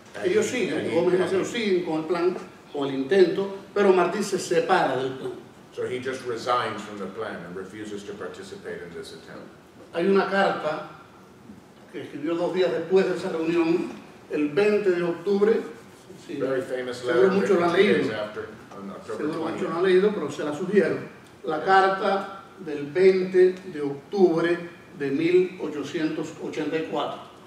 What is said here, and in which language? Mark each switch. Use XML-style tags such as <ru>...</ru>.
<es>Ellos siguen, Gómez y Maceo siguen con el plan, con el intento, pero Martí se separa del plan.</es> <en>So he just resigns from the plan and refuses to participate in this attempt.</en> <es>Hay una carta que escribió dos días después de esa reunión, el 20 de octubre.</es> <en>Sí, very famous letter.</en> <es>Seguro muchos la han leído. Seguro muchos la han leído, pero se la sugiero. La carta del 20 de octubre de 1884.</es>